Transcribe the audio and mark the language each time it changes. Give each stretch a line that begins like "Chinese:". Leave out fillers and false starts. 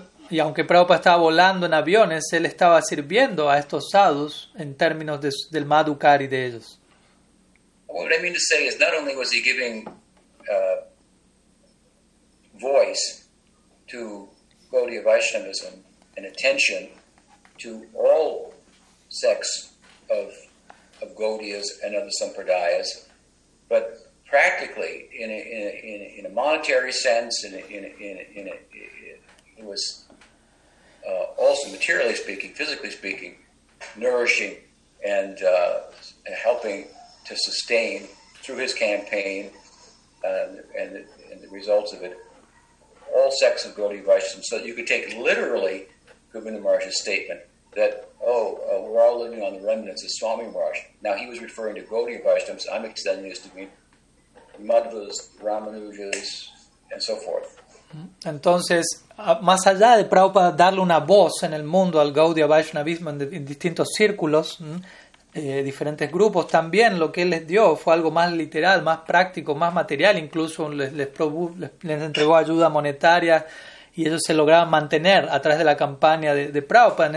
Spanish: Y aunque Prabhupada estaba volando en aviones, él estaba sirviendo a estos sadhus en términos del madhukari de ellos.
English: What I mean to say is, not only was he giving voice to Gaudiya Vaishnavism and attention to all sects of Gaudiyas and other sampradayas, but practically, in a monetary sense, it was also materially speaking, physically speaking, nourishing and helping to sustain through his campaign and the results of it all sects of Gaudiya Vaishnavism. So you could take literally Govinda Maharaj's statement that we're all living on the remnants of Swami Maharaj. Now he was referring to Gaudiya Vaishnavism. So I'm extending this to mean Madhvas, Ramanujas, and so forth.
Spanish: Entonces, más allá de Prabhupada darle una voz en el mundo al Gaudiya Vaishnavismo en distintos círculos, diferentes grupos, también lo que él les dio fue algo más literal, más práctico, más material, incluso les entregó ayuda monetaria y ellos se lograban mantener a través de la campaña de Prabhupada.